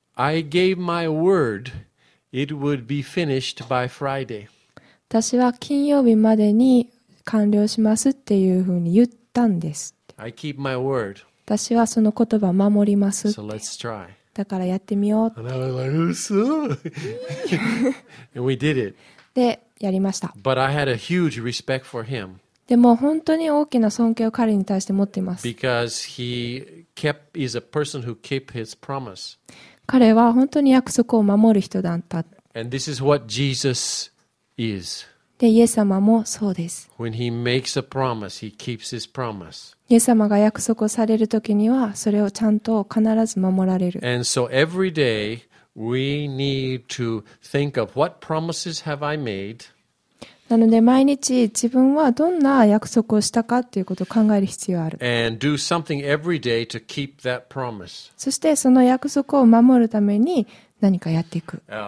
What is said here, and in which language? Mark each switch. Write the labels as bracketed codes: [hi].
[en] I gave my word it would be finished by Friday. [ja] 私は金曜日までに完了しますっていうふうに言ったんです。 [en] I keep my word. [ja] 私はその言葉を守りますって。 [en] So let's try. [ja] だからやってみようって。 [en] And I was like, so? And we did it. [ja] で、やりました。 [en] But I had a huge respect for him. [ja] でも本当に大きな尊敬を彼に対して持っています。 [en] Because he kept, is a person who kept his promise. [ja] 彼は本当に約束を守る人だった。 [en] And this is what Jesus is. [ja] で、イエス様もそうです。 [en] When he makes a promise, he keeps his promise. [ja] イエス様が約束をされるときには、それをちゃんと必ず守られる。 [en] And so every day, we need to think of what promises have I made. [ja] なので、毎日自分はどんな約束をしたかということを考える必要がある。 [en] And do something every day to keep that promise. [ja] そして、その約束を守るために何かやっていく。